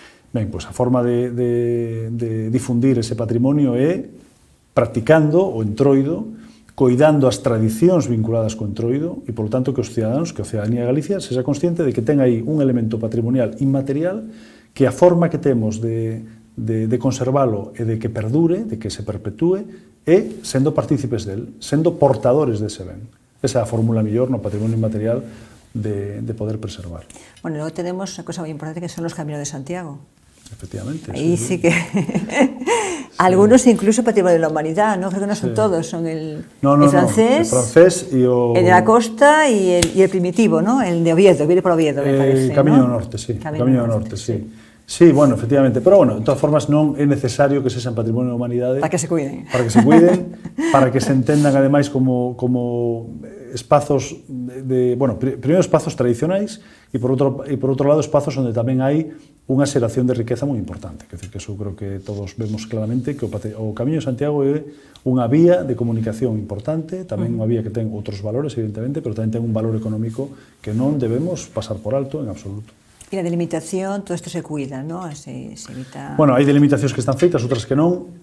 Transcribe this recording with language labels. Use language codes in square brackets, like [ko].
[gl] Ben, pois a forma de difundir ese patrimonio é practicando o entroido, coidando as tradicións vinculadas co entroido, e, polo tanto, que os cidadanos, que a cidadanía de Galicia, se xa consciente de que ten aí un elemento patrimonial inmaterial, que a forma que temos de conservalo e de que perdure, de que se perpetúe, e sendo partícipes del, sendo portadores dese ben. Esa é a fórmula mellor no patrimonio inmaterial de poder preservar. Bueno, logo tenemos unha cosa moi importante que son os Caminos de Santiago. Efectivamente. Aí sí que... [es] Algunos incluso patrimonio de la humanidad, ¿no? Creo que no son todos, son el francés y o... el de la costa y el primitivo, ¿no? El de Oviedo, viene por Oviedo, me parece. [gl] El Camino do Norte, sí. Camino do Norte, sí. Sí, bueno, efectivamente, pero bueno, de todas formas non é necesario que sexan patrimonio da humanidade para que se cuiden para que se entendan ademais como espazos de bueno, primeiro espazos tradicionais e por outro lado espazos onde tamén hai unha xeración de riqueza moi importante, quer dizer, que eso creo que todos vemos claramente que o Camiño de Santiago é unha vía de comunicación importante, tamén unha vía que ten outros valores, evidentemente, pero tamén ten un valor económico que non debemos pasar por alto en absoluto. E a delimitación, todo isto se cuida, ¿no? Se evita... Bueno, hai delimitacións que están feitas, outras que non.